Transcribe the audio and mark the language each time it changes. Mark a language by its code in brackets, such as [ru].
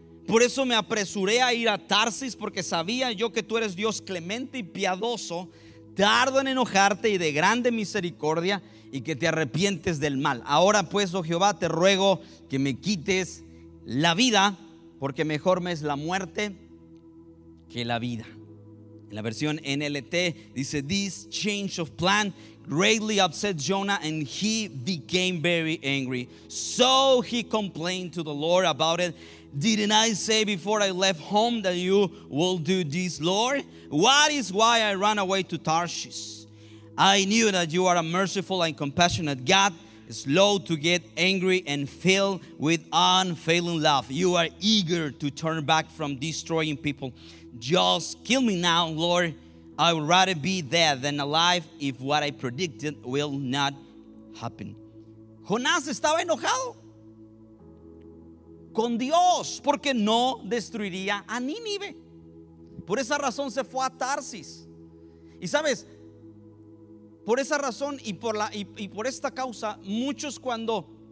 [es] Por eso me apresuré a ir a Tarsis, porque sabía yo que tú eres Dios clemente y piadoso, tardo en enojarte y de grande misericordia, y que te arrepientes del mal. Ahora pues, oh Jehová, te ruego que me quites la vida, porque mejor me es la muerte que la vida. En la versión NLT dice: [en] this change of plan greatly upset Jonah, and he became very angry. So he complained to the Lord about it. Didn't I say before I left home that you will do this, Lord? What is why I ran away to Tarshish? I knew that you are a merciful and compassionate God, slow to get angry and filled with unfailing love. You are eager to turn back from destroying people. Just kill me now, Lord. I would rather be dead than alive if what I predicted will not happen. [es] Jonás estaba enojado con Dios porque no destruiría a Nínive. Por esa razón se fue a Tarsis. Y sabes, por esa razón y por esta causa, muchos cuando...